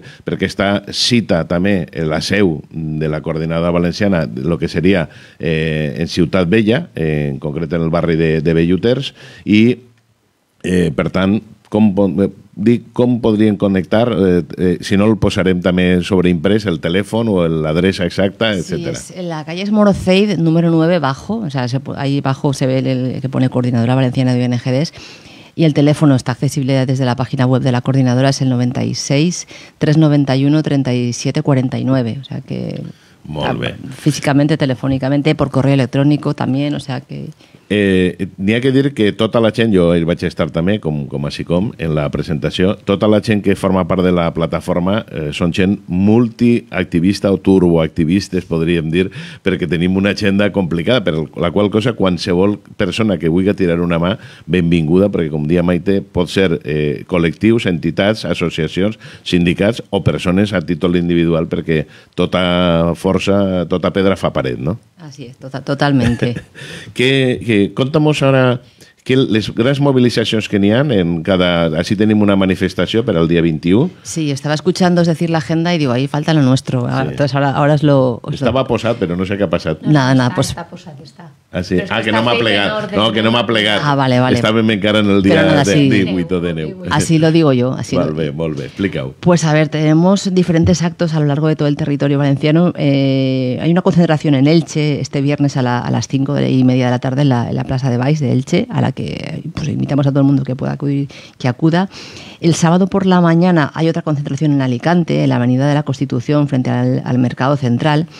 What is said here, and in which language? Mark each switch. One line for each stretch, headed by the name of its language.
Catalan: Perquè està cita també en la seu de la coordinada valenciana, el que seria en Ciutat Vella, en concret en el barri de Belluters, i per tant, com podrien connectar? Si no, el posarem també sobre imprès, el telèfon o l'adreça exacta, etc.
Spanish: Sí, és la calle Morozeid, número 9, bajo. O sea, ahí bajo se ve el que pone Coordinadora Valenciana de ONGDES. Y el teléfono está accesible desde la página web de la coordinadora, es el 96-391-3749. O sea que...
Catalan: Molt bé.
Spanish: Físicamente, telefónicamente, por correo electrónico también, o sea que...
Catalan: N'hi ha que dir que tota la gent, jo hi vaig estar també, com en la presentació, tota la gent que forma part de la plataforma són gent multiactivista o turboactivistes, podríem dir, perquè tenim una agenda complicada, per la qual cosa qualsevol persona que vulgui tirar una mà, benvinguda, perquè com dia Maite, pot ser col·lectius, entitats, associacions, sindicats o persones a títol individual, perquè tota força, tota pedra fa paret, no?
Spanish: Así es, totalmente. Contamos ahora
Catalan: que les grans mobilitzacions que n'hi ha en cada... Així tenim una manifestació per al dia 21.
Spanish: Sí, estava escuchando es decir la agenda y digo, ahí falta lo nuestro. Entonces ahora es lo...
Catalan: Estava posat, però no sé què ha passat.
Spanish: Nada, pues... Está posat,
Catalan: está. Ah, que no m'ha plegat. No, que no m'ha plegat.
Spanish: Ah, vale.
Catalan: Estàvem encara en el dia 18 de neu.
Spanish: Así lo digo yo.
Catalan: Molt bé, explica-ho.
Spanish: Pues a ver, tenemos diferentes actos a lo largo de todo el territorio valenciano. Hay una concentración en Elche este viernes a las 5:30 de la tarde en la plaza de Baix de Elche, a la que pues invitamos a todo el mundo que pueda acudir, que acuda. El sábado por la mañana hay otra concentración en Alicante, en la Avenida de la Constitución, frente al Mercado Central.